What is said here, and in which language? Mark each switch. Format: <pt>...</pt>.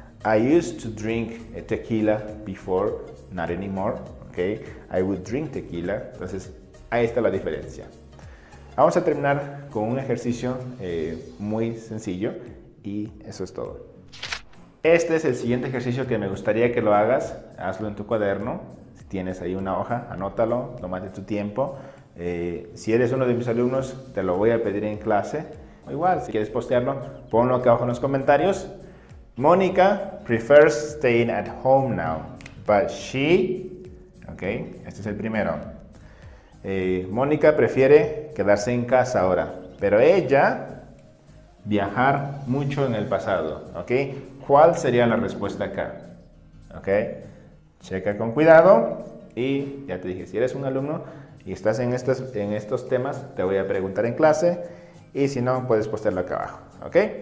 <en>I used to drink tequila before, not anymore. ¿Ok? I would drink tequila.</en> <es>Entonces, ahí está la diferencia. Vamos a terminar con un ejercicio muy sencillo y eso es todo. Este es el siguiente ejercicio que me gustaría que lo hagas. Hazlo en tu cuaderno. Si tienes ahí una hoja, anótalo, tómate tu tiempo. Si eres uno de mis alumnos, te lo voy a pedir en clase. Igual, si quieres postearlo, ponlo acá abajo en los comentarios.</es> <en>Mónica prefers staying at home now, but she...</en> <es>Ok, este es el primero. Mónica prefiere quedarse en casa ahora, pero ella viajar mucho en el pasado, ¿ok? ¿Cuál sería la respuesta acá? ¿Ok? Checa con cuidado y ya te dije, si eres un alumno y estás en estos temas, te voy a preguntar en clase y si no, puedes postearlo acá abajo, ¿ok?</es>